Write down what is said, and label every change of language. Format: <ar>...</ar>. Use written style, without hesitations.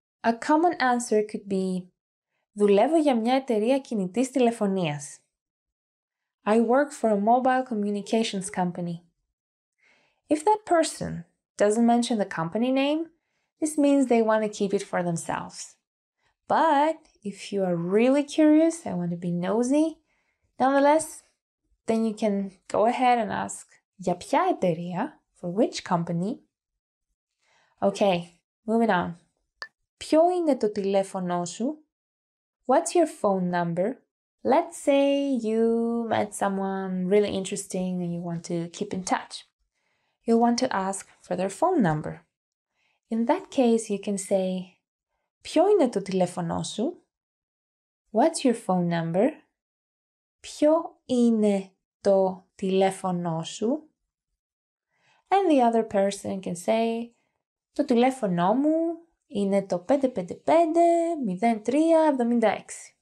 <en>A common answer could be,</en> <el>δουλεύω για μια εταιρεία κινητής τηλεφωνίας.</el> <en>I work for a mobile communications company. If that person doesn't mention the company name, this means they want to keep it for themselves. But if you are really curious and want to be nosy, nonetheless, then you can go ahead and ask,</en> <el>για ποια εταιρεία,</el> <en>for which company? Okay, moving on.</en> <el>Ποιο είναι το τηλέφωνο σου?</el> <en>What's your phone number? Let's say you met someone really interesting and you want to keep in touch. You'll want to ask for their phone number. In that case, you can say,</en> <el>ποιο είναι το τηλέφωνο σου?</el> <en>What's your phone number?</en> <el>Ποιο είναι το τηλέφωνο σου?</el> <en>And the other person can say,</en> <el>το τηλέφωνο μου είναι το 555-03-76.</el>